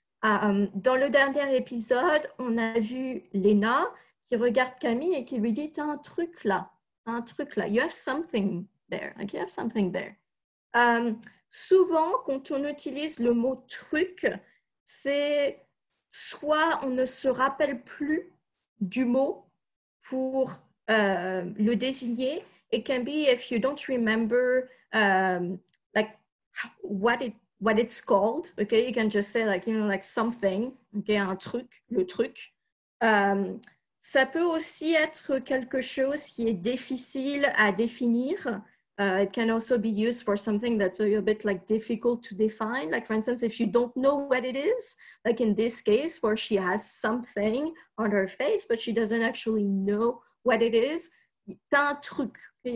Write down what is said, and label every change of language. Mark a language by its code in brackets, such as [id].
[fr] Dans le dernier épisode, on a vu Léna qui regarde Camille et qui lui dit, t'as un truc là, un truc là. [en] You have something there. [fr] Like, you have something there. Souvent, quand on utilise le mot truc, c'est soit on ne se rappelle plus du mot pour le désigner. [en] It can be if you don't remember like what it's called, okay? You can just say like, like something, okay? [fr] Un truc, le truc. Ça peut aussi être quelque chose qui est difficile à définir. [en] It can also be used for something that's a little bit like difficult to define. Like for instance, if you don't know what it is, like in this case where she has something on her face, but she doesn't actually know what it is, [fr] t'as un truc, [en] okay?